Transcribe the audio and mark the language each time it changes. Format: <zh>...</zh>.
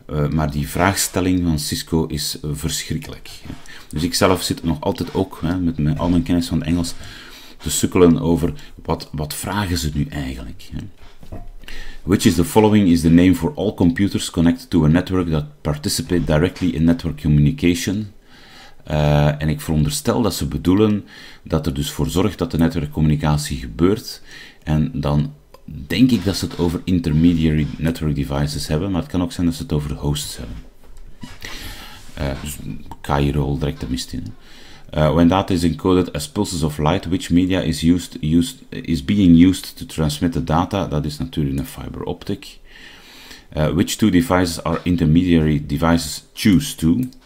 <nl>Maar die vraagstelling van Cisco is verschrikkelijk. Ja. Dus ik zelf zit nog altijd ook, hè, met mijn al mijn kennis van het Engels, te sukkelen over wat vragen ze nu eigenlijk. Hè.</nl> <en>Which is the following is the name for all computers connected to a network that participate directly in network communication.</en> <nl>En ik veronderstel dat ze bedoelen dat er dus voor zorgt dat de netwerkcommunicatie gebeurt. En dan denk ik dat ze het over intermediary network devices hebben, maar het kan ook zijn dat ze het over hosts hebben. Dus Cairo direct de mist in.</nl> <en>When data is encoded as pulses of light, which media is being used to transmit the data?</en> <nl>Dat is natuurlijk een fiber optic.</nl> <en>Which two devices are intermediary devices choose to?</en>